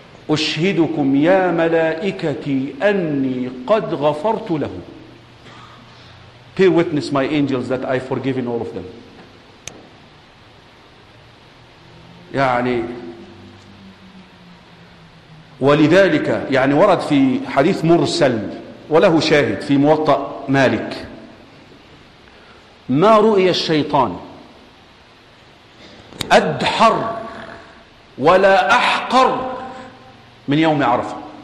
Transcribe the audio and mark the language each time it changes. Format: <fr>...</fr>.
<ar>أشهدكم يا ملائكتي أني قد غفرت لهم.</ar> <en>Bear witness, my angels, that I've forgiven all of them.</en> <ar>يعني ولذلك يعني ورد في حديث مرسل وله شاهد في موطأ مالك: ما رؤي الشيطان أدحر ولا أحقر من يوم عرفة.</ar>